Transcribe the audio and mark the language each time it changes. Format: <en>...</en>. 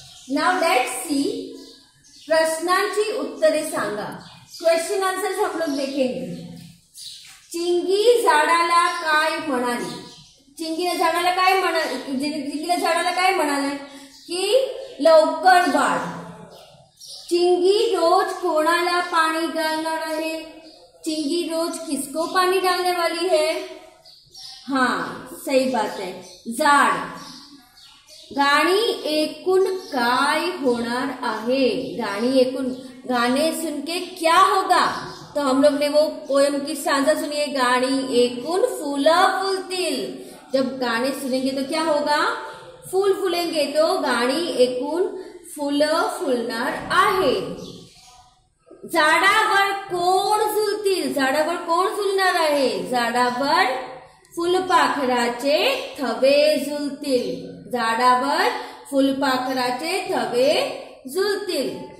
<en>now let's see</en> <mr>प्रश्नांची उत्तरे सांगा,</mr> <hi>question answers हम लोग देखेंगे।</hi> <mr>चिंगी झाडाला काय म्हणाले, चिंगीने झाडाला काय म्हणाले, चिंगीने झाडाला काय म्हणाले की लवकर वाढ।</mr> <hi>चिंगी रोज कोणाला पाणी घालणार आहे, चिंगी रोज किसको पाणी डालने वाली है। हाँ सही बात है, झाड।</hi> <mr>गाणी ऐकून काय होणार आहे, गाणी ऐकून,</mr> <hi>गाने सुन के क्या होगा। तो हम लोग ने वो पोयम की सांझा सुनी है,</hi> <mr>गाणी ऐकून फूल फुलतील।</mr> <hi>जब गाने सुनेंगे तो क्या होगा, फूल फूलेंगे, तो</hi> <mr>गाणी ऐकून फूल फुलणार आहे। झाडावर कोण झुलतील, झाडावर कोण झुलणार आहे, झाडावर फुलपाखराचे थवे झुलतील, झाडावर फुलपाखराचे थवे झुलतील।</mr>